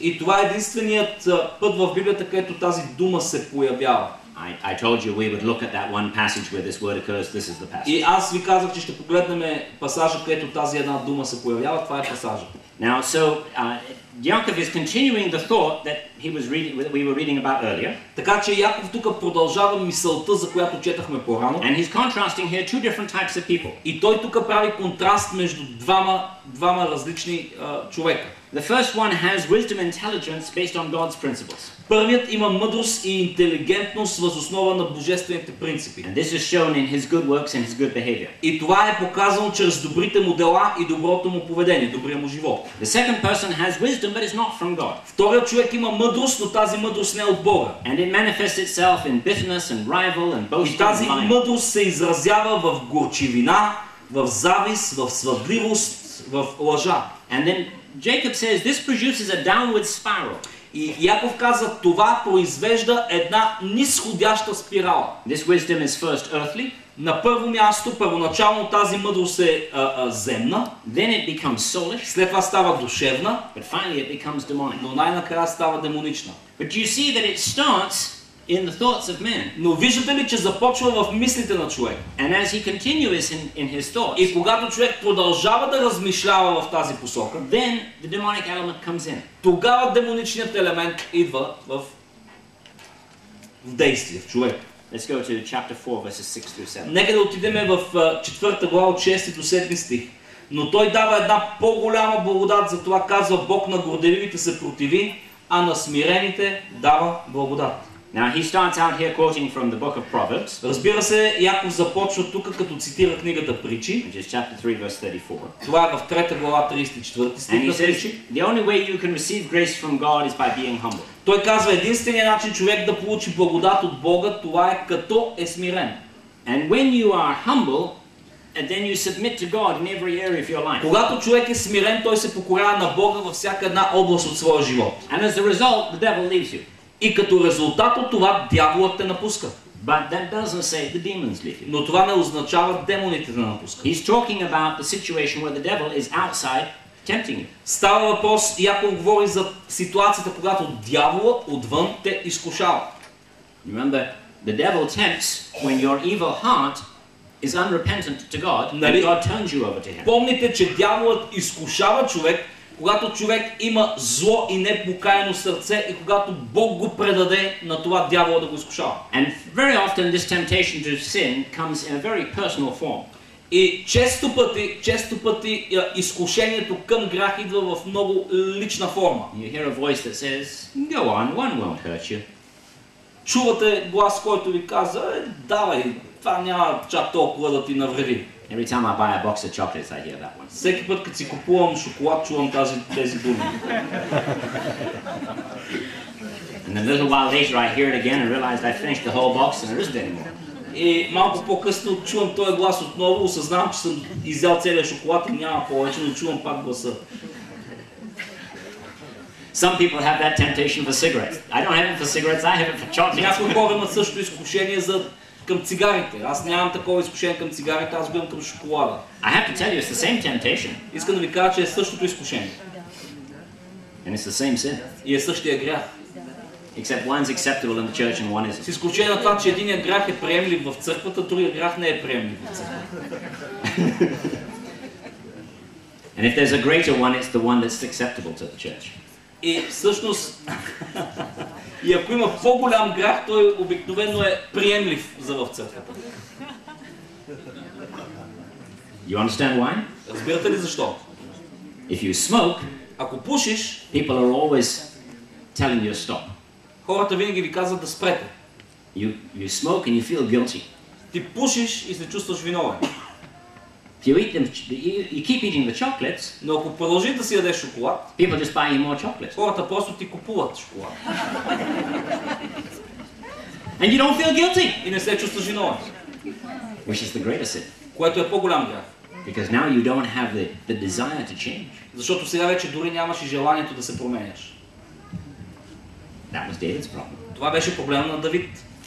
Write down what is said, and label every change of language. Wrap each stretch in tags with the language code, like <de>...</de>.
<bg>И това е единственият път в Библията, където тази дума се появява.</bg> <en>I told you we would look at that one passage where this word occurs. This is the passage.</en> <bg>И аз ви казах, че ще погледнем пасажа, където тази една дума се появява. Това е пасажа.</bg> <en>Now, so Яков is continuing the thought that we were reading about earlier.</en> <bg>Така че Яков тук продължава мисълта, за която четахме по-рано.</bg> <en>And he's contrasting here two different types of people.</en> <bg>И той тук прави контраст между двама различни човека.</bg> <en>The first one has wisdom and intelligence based on God's principles.</en> <bg>Първият има мъдрост и интелигентност въз основа на божествените принципи.</bg> <en>And this is shown in his good works and his good behavior.</en> <bg>И това е показано чрез добрите му дела и доброто му поведение, добрия му живот.</bg> <en>The second person has wisdom, but it's not from God.</en> <bg>Вторият човек има мъдрост, но тази мъдрост не е от Бога.</bg> <en>And it manifests itself in bitterness and rival and boasting.</en> <bg>И тази мъдрост се изразява в горчивина, в завист, в свъдливост, в лъжа.</bg> <en>And then Jacob says this produces a downward spiral.</en> <bg>И Яков казва, това произвежда една нисходяща спирала.</bg> <en>This wisdom is first earthly.</en> <bg>На първо място, първоначално тази мъдрост е земна.</bg> <en>Then it becomes soulish.</en> <bg>След това става душевна.</bg> <en>But finally it becomes demonic.</en> <bg>Но най-накрая става демонична.</bg> <en>But you see that it starts in the thoughts of men.</en> <bg>Но виждате ли, че започва в мислите на човек.</bg> <en>And as he continues in his thoughts.</en> <bg>И когато човек продължава да размишлява в тази посока,</bg> <en>then the demonic element comes in.</en> <bg>Тогава демоничният елемент идва в действие в човек.</bg> <en>Let's go to chapter 4 verses 6 through 7.</en> <bg>Нека да отидем в 4-та глава от 6 до 7 стих. Но той дава една по-голяма благодат, затова казва Бог на горделивите се противи, а на смирените дава благодат.</bg> <en>Now he starts out here quoting from the book of Proverbs.</en> <bg>Разбира се, Яков започва тук като цитира книгата Притчи.</bg> <en>Which is chapter 3 verse 34.</en> <bg>Това е в 3 глава 34 стих.</bg> <en>And he says, the only way you can receive grace from God is by being humble.</en> <bg>Той казва, единственият начин човек да получи благодат от Бога, това е като е смирен.</bg> <en>And when you are humble, and then you submit to God in every area of your life.</en> <bg>Когато човек е смирен, той се покорява на Бога във всяка една област от своя живот.</bg> <en>And as a result, the devil leaves you.</en> <bg>И като резултат от това дяволът те напуска.</bg> <en>But that doesn't say the demons leave.</en> <bg>Но това не означава демоните да напускат.</bg> <en>He's talking about the situation where the devil is outside tempting you.</en> <bg>Става въпрос, Яков говори за ситуацията, когато дяволът отвън те изкушава.</bg> <en>Remember, the devil tempts when your evil heart is unrepentant to God, and God turns you over to him.</en> <bg>Помните, че дяволът изкушава човек, когато човек има зло и непокаяно сърце и когато Бог го предаде на това дявола да го изкушава.</bg> <en>And very often this temptation to sin comes in a very personal form.</en> <bg>И често пъти изкушението към грях идва в много лична форма.</bg> <en>You hear a voice that says, "Go on, one won't hurt you."</en> <bg>Чувате глас, който ви казва, давай, това няма чак толкова да ти навреди.</bg> <en>Every time I buy a box of chocolates, I hear that one.</en> <bg>Всеки път, като си купувам шоколад, чувам тези думи.</bg> <en>And a little while later, I hear it again and realized I finished the whole box and there isn't anymore.</en> <bg>И малко по-късно чувам този глас отново, осъзнавам, че съм изял целия шоколад и няма повече, но чувам пак гласа.</bg> <en>Some people have that temptation for cigarettes. I don't have it for cigarettes, I have it for chocolates.</en> <bg>Някои хора имат същото изкушение за към цигарите. Аз нямам такова изкушение към цигарите, аз го имам към шоколада.</bg> <en>I have to tell you, it's the same temptation.</en> <bg>Искам да ви кажа, че е същото изкушение.</bg> <en>And it's the same sin.</en> <bg>И е същия грях.</bg> <en>Except one's acceptable in the church and one isn't.</en> <bg>С изключение на това, че един грях е приемлив в църквата, другия грях не е приемлив в църквата.</bg> <en>And if there's a greater one, it's the one that's acceptable to the church.</en> <bg>И всъщност, и ако има по-голям грях, той обикновено е приемлив за в църквата.</bg> <en>You understand why?</en> <bg>Разбирате ли защо?</bg> <en>If you smoke,</en> <bg>ако пушиш,</bg> <en>people are always telling you to stop.</en> <bg>Хората винаги ви казват да спрете.</bg> <en>You smoke and you feel guilty.</en> <bg>Ти пушиш и се чувстваш виновен.</bg> <en>You keep eating the chocolates.</en> <bg>Но ако продължиш да си ядеш шоколад,</bg> <en>people just buy you more chocolates.</en> <bg>Хората просто ти купуват шоколад.</bg> <en>And you don't feel guilty.</en> <bg>И не се чувстваш виновен.</bg> <en>Which is the greatest sin?</en> <bg>Което е по-голям грях?</bg> <en>Because now you don't have the desire to change.</en> <bg>Защото сега вече дори нямаш и желанието да се променяш.</bg> <en>That was David's problem.</en> <bg>Това беше проблема на Давид.</bg>